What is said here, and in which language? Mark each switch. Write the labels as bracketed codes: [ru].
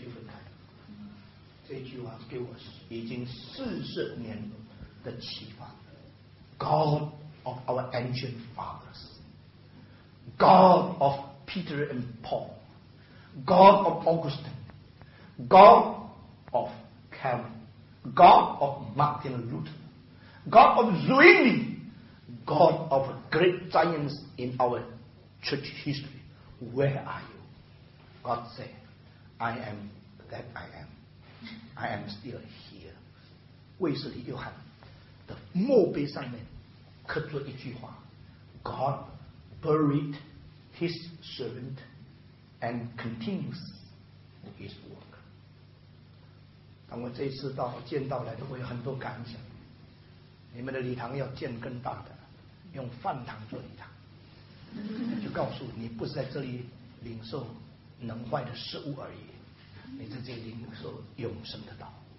[zh] 拿下去，水就分开。这句话给我已经40年的启发。 [en] God of our ancient fathers, God of Peter and Paul, God of Augustine, God of Calvin, God of Martin Luther, God of Zwingli, God of great giants in our church history. Where are you?God said, I am that I am. I am still here. [zh] 卫斯理·约翰的墓碑上面刻出一句话， [en] God buried his servant and continues his work. [zh] 当我这次到见到来都会有很多感想。你们的礼堂要建更大的，用饭堂做礼堂，就告诉你不是在这里领受能坏的事物而已，你在这里领受永生的道。